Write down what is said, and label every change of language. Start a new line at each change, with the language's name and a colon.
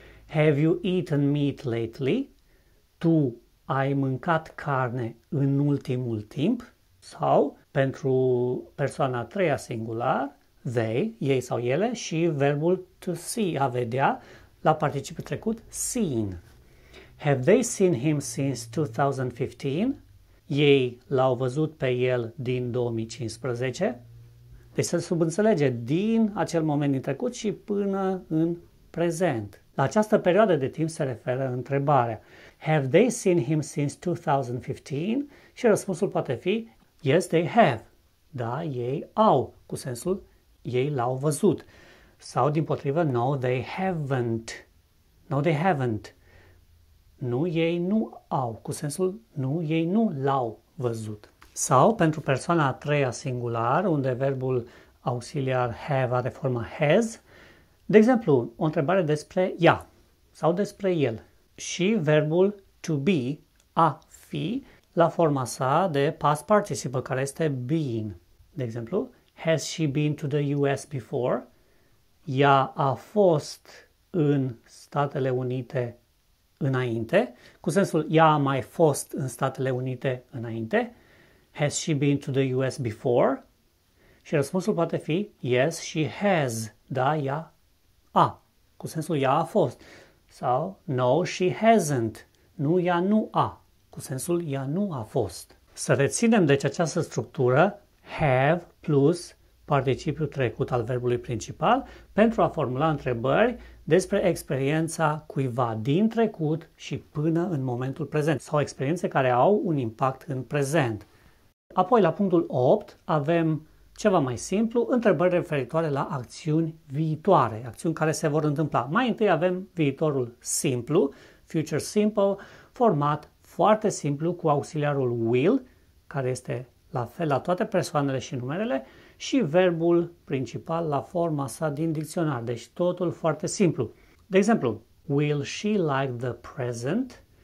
English: Have you eaten meat lately?
Romanian: Tu ai mâncat carne în ultimul timp? Sau, pentru persoana a treia singular, they, ei sau ele, și verbul
English: to see,
Romanian: a vedea, la participiul trecut, seen.
English: Have they seen him since 2015?
Romanian: Ei l-au văzut pe el din 2015. Deci se subînțelege din acel moment din trecut și până în prezent. La această perioadă de timp se referă întrebarea.
English: Have they seen him since 2015?
Romanian: Și răspunsul poate fi,
English: yes, they have.
Romanian: Da, ei au, cu sensul, ei l-au văzut. Sau, dimpotrivă,
English: no, they haven't. No, they haven't.
Romanian: Nu, ei nu au, cu sensul, nu, ei nu l-au văzut. Sau, pentru persoana a treia singular, unde verbul auxiliar have are forma has, de exemplu, o întrebare despre ea sau despre el și verbul to be, a fi, la forma sa de past participle, care este being. De exemplu,
English: Has she been to the US before?
Romanian: Ea a fost în Statele Unite înainte, cu sensul ea a mai fost în Statele Unite înainte.
English: Has she been to the US before?
Romanian: Și răspunsul poate fi
English: yes, she has.
Romanian: Da, ea a, cu sensul ea a fost. Sau
English: no, she hasn't.
Romanian: Nu, ea nu a, cu sensul ea nu a fost. Să reținem deci această structură have plus participiul trecut al verbului principal pentru a formula întrebări despre experiența cuiva din trecut și până în momentul prezent sau experiențe care au un impact în prezent. Apoi, la punctul 8, avem ceva mai simplu, întrebări referitoare la acțiuni viitoare, acțiuni care se vor întâmpla. Mai întâi avem viitorul simplu, future simple, format foarte simplu cu auxiliarul will, care este la fel la toate persoanele și numerele, și verbul principal la forma sa din dicționar. Deci totul foarte simplu. De exemplu,
English: will she like the present?